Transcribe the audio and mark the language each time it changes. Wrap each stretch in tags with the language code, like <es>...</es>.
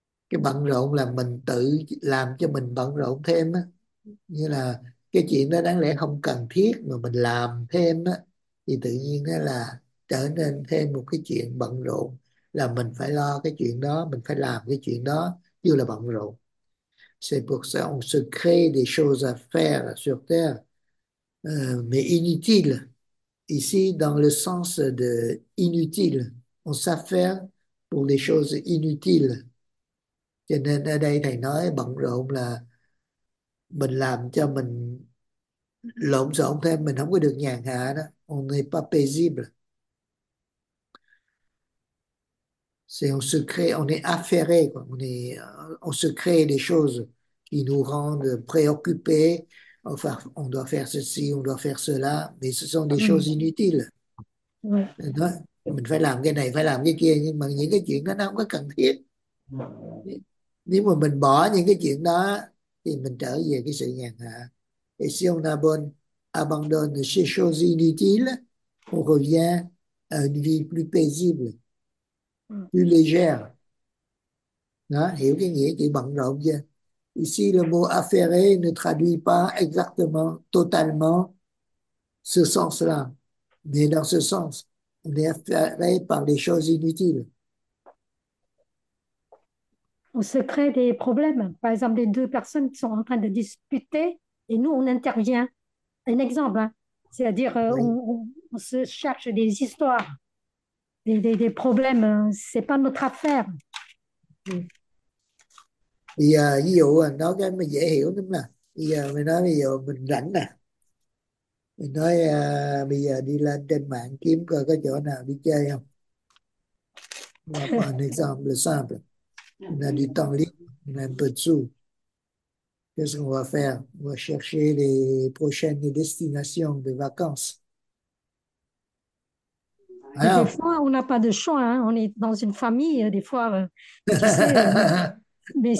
<vi>cái bận rộn là mình tự làm cho mình bận rộn thêm á. Như là cái chuyện đó đáng lẽ không cần thiết mà mình làm thêm á, thì tự nhiên nó là trở nên thêm một cái chuyện bận rộn, là mình phải lo cái chuyện đó, mình phải làm cái chuyện đó như là bận rộn.</vi> <fr>C'est pour ça qu'on se crée des choses à faire sur terre, mais inutile. Ici, dans le sens de inutile, on s'affaire pour des choses inutiles.</fr> <vi>Cho nên ở đây thầy nói bận rộn là mình làm cho mình lộn xộn thêm, mình không có được nhàn hạ đó.</vi> <fr>On n'est pas paisible. C'est on se crée, on est affairé, on se crée des choses qui nous rendent préoccupés. Enfin, on doit faire ceci, on doit faire cela, mais ce sont des choses inutiles.</fr> <vi>Đó. Mình phải làm cái này, phải làm cái kia, nhưng mà những cái chuyện đó nó không có cần thiết. Nếu mà mình bỏ những cái chuyện đó thì mình trở về cái sự nhàn hạ.</vi> <fr>Et si on abandonne ces choses inutiles, on revient à une vie plus paisible, plus légère.</fr> <vi>Đó, hiểu cái nghĩa chữ bận rộn chưa?</vi> <fr>Ici, le mot affairé ne traduit pas exactement, totalement ce sens-là. Mais dans ce sens, on est affairé par des choses inutiles. On se crée des problèmes. Par exemple, les deux personnes qui sont en train de disputer et nous, on intervient. Un exemple, hein? C'est-à-dire, Oui. on se cherche des histoires, des problèmes. Hein? Ce n'est pas notre affaire.</fr> <vi>Thì ví dụ nói cái mà dễ hiểu lắm nè. Bây giờ mình nói, bây giờ mình rảnh nè, mình nói bây giờ đi lên trên mạng kiếm coi có chỗ nào đi chơi không.</vi> <fr>Là một example simple, on a du temps libre, on a un peu de sous, qu'est-ce qu'on va faire? On va chercher les prochaines destinations de vacances. Des Alors. fois, on n'a pas de choix, hein. On est dans une famille, des fois, tu sais, mais</fr>